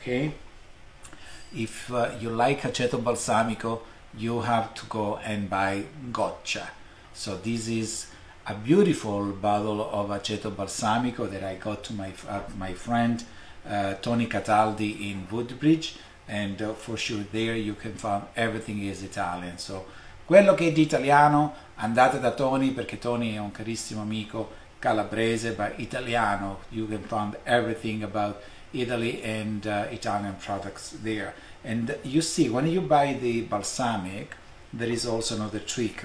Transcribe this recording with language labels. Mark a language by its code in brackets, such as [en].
[en] Okay, if you like aceto balsamico, you have to go and buy Goccia. So this is a beautiful bottle of aceto balsamico that I got to my friend Tony Cataldi in Woodbridge, and for sure there you can find everything is Italian. [it] So quello che è di italiano andate da Tony, perché Tony è un carissimo amico calabrese, ma italiano. [en] You can find everything about Italy and Italian products there. And you see, when you buy the balsamic, there is also another trick.